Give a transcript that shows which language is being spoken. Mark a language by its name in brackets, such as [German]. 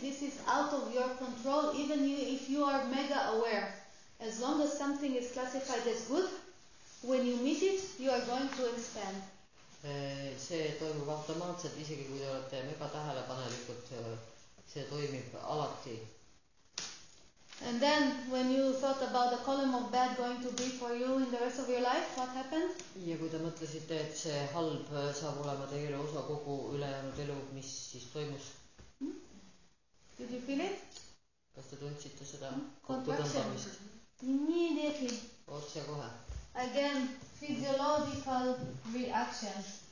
[English] This is out of your control, even if you are mega aware. As long as something is classified as good, when you meet it, you are going to expand. [Estonian] See toimub automaatselt, isegi kui te olete mega tähelepanelikud, see toimib alati. [English] And then, when you thought about the column of bad going to be for you in the rest of your life, what happened? [Estonian] Ja kui te mõtlesite, et see halb saab olema teile osa kogu ülejäänud elu, mis siis toimus? [English] Did you feel it? [Estonian] Kas te tundsite seda [English] kontraktsioonist? Immediately. [Estonian] Otse kohe. [English] Again, physiological reaction.